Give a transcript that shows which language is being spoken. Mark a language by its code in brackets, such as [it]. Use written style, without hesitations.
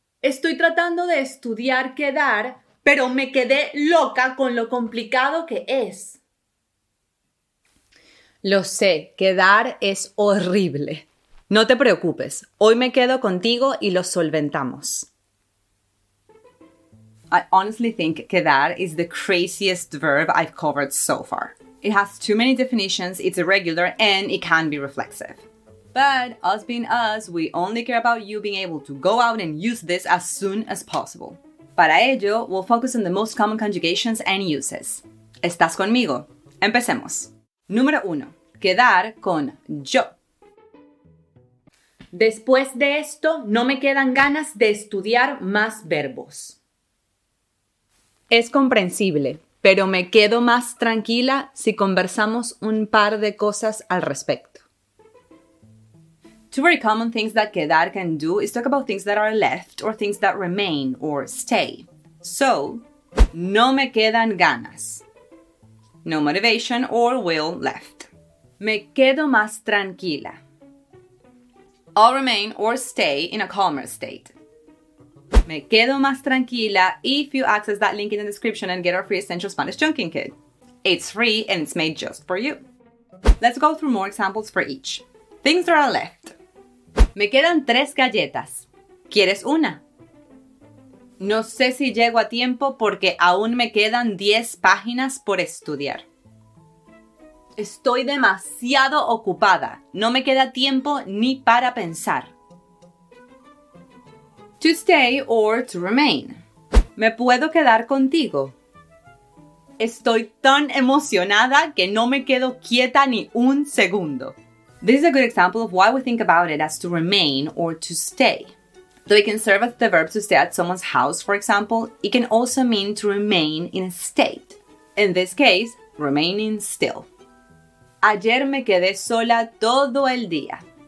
[es] Estoy tratando de estudiar quedar, pero me quedé loca con lo complicado que es. Lo sé, quedar es horrible. No te preocupes, hoy me quedo contigo y lo solventamos. [en] I honestly think quedar is the craziest verb I've covered so far. It has too many definitions, it's irregular, and it can be reflexive. But us being us, we only care about you being able to go out and use this as soon as possible. [es] Para ello, [en] we'll focus on the most common conjugations and uses. [es] ¿Estás conmigo? Empecemos. Número uno. Quedar con yo. Después de esto, no me quedan ganas de estudiar más verbos. Es comprensible, pero me quedo más tranquila si conversamos un par de cosas al respecto. [en] Two very common things that quedar can do is talk about things that are left or things that remain or stay. So, [es] no me quedan ganas. [en] No motivation or will left. [es] Me quedo más tranquila. [en] I'll remain or stay in a calmer state. [es] Me quedo más tranquila [en] if you access that link in the description and get our free essential Spanish chunking kit. It's free and it's made just for you. Let's go through more examples for each. Things that are left. [es] Me quedan tres galletas. ¿Quieres una? No sé si llego a tiempo porque aún me quedan 10 páginas por estudiar. Estoy demasiado ocupada. No me queda tiempo ni para pensar. [en] To stay or to remain. [es] ¿Me puedo quedar contigo? Estoy tan emocionada que no me quedo quieta ni un segundo. [en] This is a good example of why we think about it as to remain or to stay. Though it can serve as the verb to stay at someone's house, for example, it can also mean to remain in a state. In this case, remaining still. [es] Ayer me quedé sola todo el día.